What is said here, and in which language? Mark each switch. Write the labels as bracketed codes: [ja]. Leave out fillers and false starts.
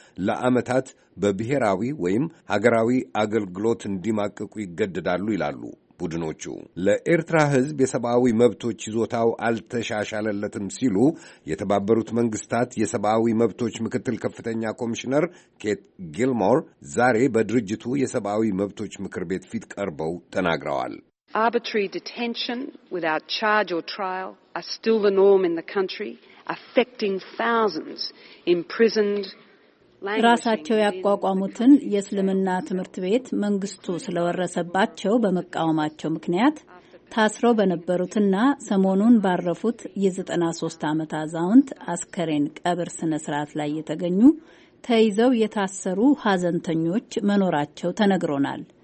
[am] ለዓመታት በብሔራዊ ወይም ሀገራዊ አገልግሎት እንዲማቅቁ ይገደዳሉ ይላሉ ቡድኖቹ። ለኤርትራ ሕዝብ የሰብአዊ መብቶች ይዞታው አልተሻሻለለትም ሲሉ የተባበሩት መንግስታት የሰብአዊ መብቶች ምክትል ከፍተኛ ኮሚሽነር ኬት ጊልሞር ዛሬ በድርጅቱ የሰብአዊ መብቶች ምክር ቤት ፊት ቀርበው ተናግረዋል። [en] Arbitrary detention without charge or trial are still the norm in the country, affecting thousands imprisoned. [am] ራሳቸው ያቋቋሙትን የእስልምና ትምህርት ቤት መንግስቱ ስለወረሰባቸው በመቃወማቸው ምክንያት ታስረው በነበሩትና ሰሞኑን ባረፉት የ93 ዓመት አዛውንት አስከሬን ቀብር ስነ ስርዓት ላይ የተገኙ ተይዘው የታሰሩ ሀዘንተኞች መኖራቸው ተነግሮናል።